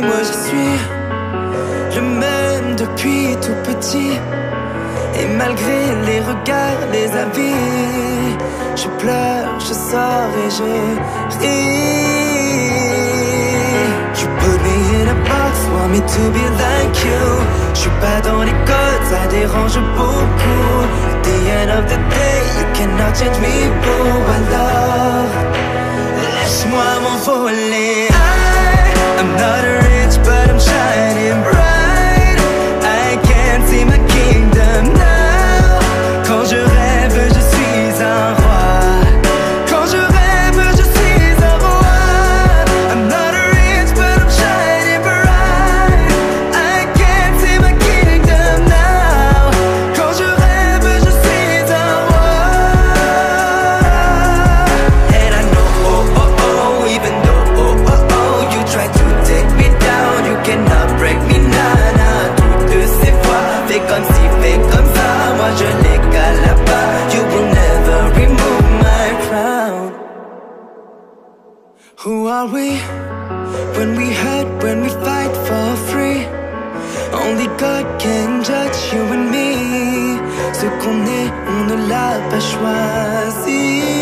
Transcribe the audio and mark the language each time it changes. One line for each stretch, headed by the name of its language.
French: Moi je suis le même depuis tout petit. Et malgré les regards, les avis, je pleure, je sors et je ris.
English: You put me in a box, want me to be like you.
French: Je suis pas dans les codes, ça dérange beaucoup.
English: The end of the day, you cannot change me, boo.
French: Alors, laisse-moi m'envoler.
English: I'm not rich, but I'm shining bright. I can't see my kingdom now.
French: Quand je rêve, je suis un roi. Quand je rêve, je suis un roi.
English: I'm not rich, but I'm shining bright. I can't see my kingdom now.
French: Quand je rêve, je suis un roi.
English: And I know, oh, oh, oh, even though, oh, oh, oh, you try to take me down, you cannot break me, nah, nah.
French: Toutes ces voix, fais comme si, fais comme ça. Moi, je n'ai qu'à la part.
English: You will never remove my crown. Who are we? When we hurt, when we fight for free. Only God can judge you and me.
French: Ce qu'on est, on ne l'a pas choisi.